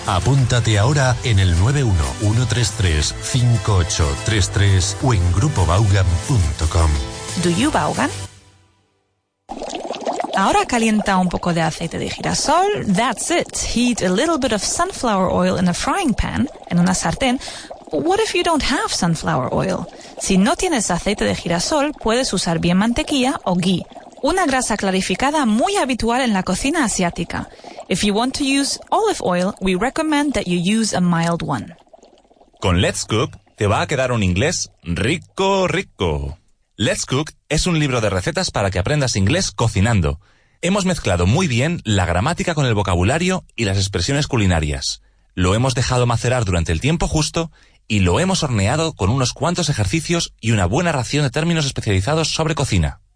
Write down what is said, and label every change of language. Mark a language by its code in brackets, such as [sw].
[es] Apúntate ahora en el 91133-5833 o en grupobaugan.com. [en] ¿Do you Vaughan? [es] Ahora calienta un poco de aceite de girasol. [en] That's it. Heat a little bit of sunflower oil in a frying pan, [es] en una sartén. [en] What if you don't have sunflower oil? [es] Si no tienes aceite de girasol, puedes usar bien mantequilla o ghee, una grasa clarificada muy habitual en la cocina asiática. [en] If you want to use olive oil, we recommend that you use a mild one. [es] Con Let's Cook te va a quedar un inglés rico, rico. Let's Cook es un libro de recetas para que aprendas inglés cocinando. Hemos mezclado muy bien la gramática con el vocabulario y las expresiones culinarias. Lo hemos dejado macerar durante el tiempo justo y lo hemos horneado con unos cuantos ejercicios y una buena ración de términos especializados sobre cocina.